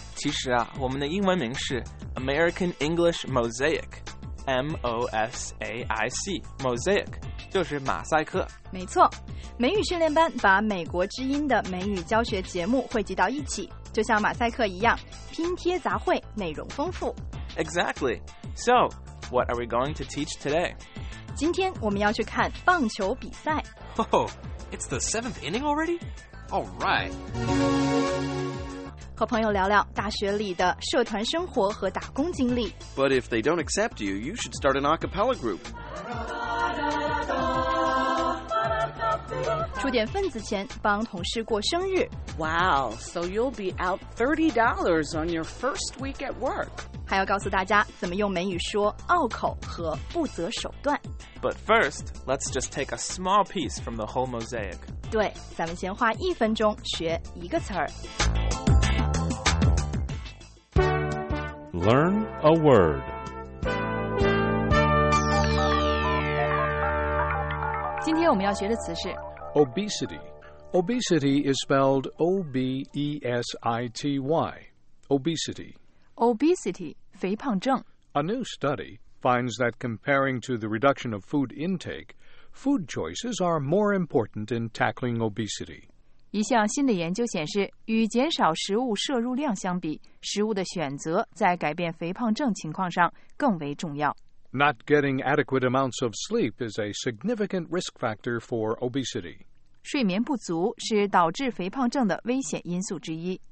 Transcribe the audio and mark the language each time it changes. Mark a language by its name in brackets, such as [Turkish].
[Chinese] 其实啊，我们的英文名是 American English Mosaic， M-O-S-A-I-C， Mosaic就是马赛克。没错，美语训练班把美国之音的美语教学节目汇集到一起，就像马赛克一样，拼贴杂烩，内容丰富。 [English] Exactly. So, what are we going to teach today? [Chinese] 今天我们要去看棒球比赛。 [English] Oh, it's the seventh inning already? All right. [Chinese] 和朋友聊聊大学里的社团生活和打工经历。 [English] But if they don't accept you, you should start an a cappella group. [Chinese] 出点份子钱帮同事过生日。 [English] Wow, so you'll be out $30 on your first week at work. [Chinese] 还要告诉大家怎么用美语说拗口和不择手段。 [English] But first, let's just take a small piece from the whole mosaic. [Chinese] 对，咱们先花一分钟学一个词儿。 [English] Learn a word. [Chinese] 今天我们要学的词是 [English] obesity. Obesity is spelled O-B-E-S-I-T-Y. Obesity. [Chinese] Obesity, 肥胖症. [English] A new study finds that comparing to the reduction of food intake, food choices are more important in tackling obesity. [Chinese] 一项新的研究显示，与减少食物摄入量相比，食物的选择在改变肥胖症情况上更为重要。 [English] Not getting adequate amounts of sleep is a significant risk factor for obesity. [Chinese] 睡眠不足是导致肥胖症的危险因素之一。